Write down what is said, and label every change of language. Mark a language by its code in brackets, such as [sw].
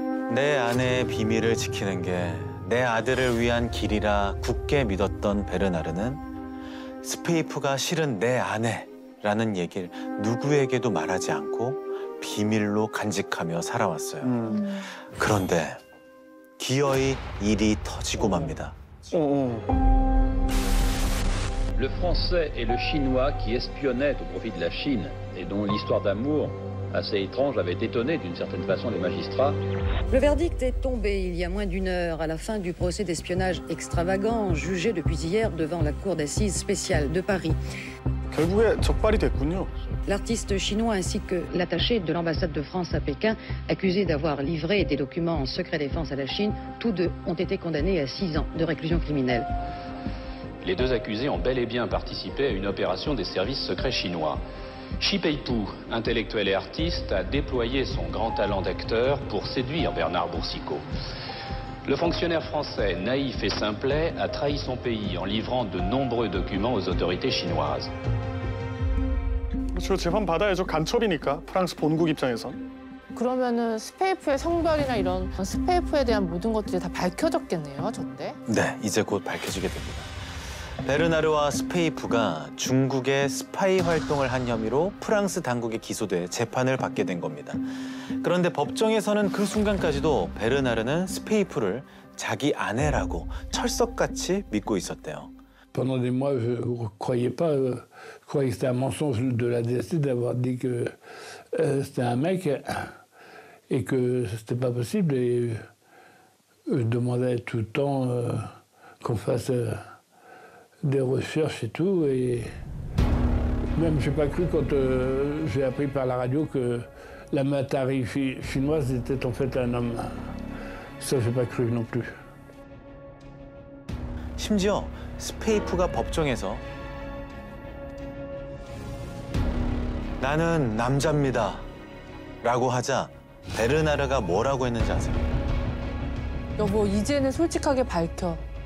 [ko] 내 아내의 비밀을 지키는 게 내 아들을 위한 길이라 굳게 믿었던 베르나르는 스페이프가 실은 내 아내라는 얘기를 누구에게도 말하지 않고 비밀로 간직하며 살아왔어요. 그런데 기어이 일이 터지고 맙니다. [fr] Le français et le chinois qui espionnaient au profit de la Chine et dont l'histoire d'amour assez étrange avait étonné d'une certaine façon les magistrats. Le verdict est tombé il y a moins d'une heure à la fin du procès d'espionnage extravagant jugé depuis hier devant la cour d'assises spéciale de Paris. [ko] 결국에 적발이 됐군요. [fr] L'artiste chinois ainsi que l'attaché de l'ambassade de France à Pékin, accusés d'avoir livré des documents en secret défense à la Chine, tous deux ont été condamnés à 6 ans de réclusion criminelle. Les deux accusés ont bel et bien participé à une opération des services secrets chinois. Xi Peipu, intellectuel et artiste, a déployé son grand talent d'acteur pour séduire Bernard Boursicot. Le fonctionnaire français, naïf et simplet, a trahi son pays en livrant de nombreux documents aux autorités chinoises. [ko] 저 재판 받아야죠. 간첩이니까, 프랑스 본국 입장에선. 그러면은 스페이프의 성별이나 이런 스페이프에 대한 모든 것들이 다 밝혀졌겠네요, 전대? 네, 이제 곧 밝혀지게 됩니다. 베르나르와 스페이프가 중국의 스파이 활동을 한 혐의로 프랑스 당국에 기소돼 재판을 받게 된 겁니다. 그런데 법정에서는 그 순간까지도 베르나르는 스페이프를 자기 아내라고 철석같이 믿고 있었대요. [fr] Pendant des mois, je ne croyais pas, je croyais que c'était un mensonge de la DST d'avoir dit que c'était un mec et que c'était pas possible. Et je demandais tout le temps qu'on fasse des recherches et tout. Et même, j'ai pas cru quand j'ai appris par la radio que la Matari chinoise était en fait un homme. Ça, j'ai pas cru non plus. [ko] 심지어 스페이프가 법정에서 나는 남자입니다 라고 하자 베르나르가 뭐라고 했는지 아세요? 여보, 이제는 솔직하게 밝혀.